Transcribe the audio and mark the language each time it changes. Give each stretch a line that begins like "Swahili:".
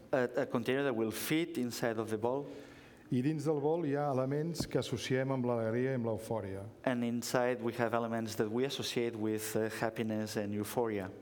English: A container that will fit inside of the ball.
Catalan: I dins del bol hi ha elements que associem amb l'alegria I amb l'eufòria.
English: And inside we have elements that we associate with happiness and euphoria.